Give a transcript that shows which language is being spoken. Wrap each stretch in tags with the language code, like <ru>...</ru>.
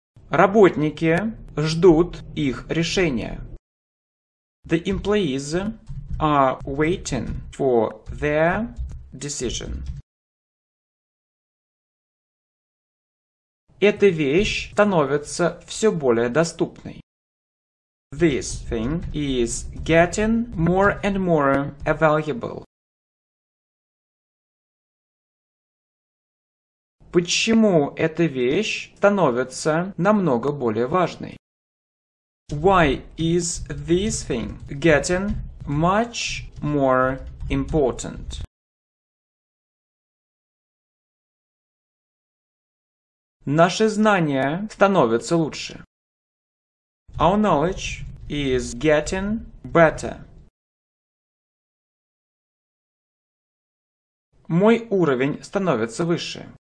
<ru>Работники ждут их решения.</ru> <en>The employees are waiting for their decision.</en> <ru>Эта вещь становится все более доступной.</ru> <en>This thing is getting more and more available.</en> <ru>Почему эта вещь становится намного более важной?</ru> <en>Why is this thing getting much more important?</en> <ru>Наши знания становятся лучше.</ru> <en>Our knowledge is getting better.</en> <ru>Мой уровень становится выше.</ru>